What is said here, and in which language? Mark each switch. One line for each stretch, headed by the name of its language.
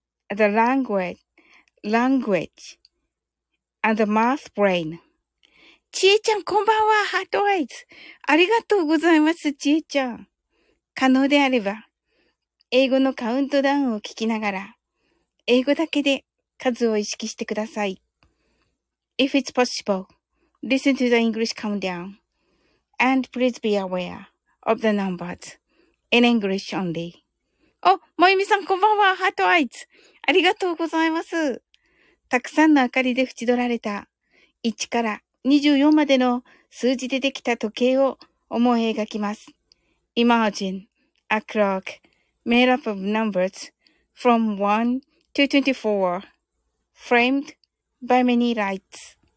English: The language and the math brain.
Japanese: ちえちゃん、こんばんは。ハートアイズ。ありがとうございます、ちえちゃん。可能であれば、英語のカウントダウンを聞きながら、英語だけで数を意識してください。
English: If it's possible, listen to the English countdown. And please be aware of the numbers in English only.
Japanese: お、まゆみさん、こんばんは。ハートアイズ。ありがとうございます。たくさんの明かりで縁取られた1から24までの数字でできた時計を思い描きます。
English: Imagine a clock made up of numbers from 1 to 24 framed by many lights.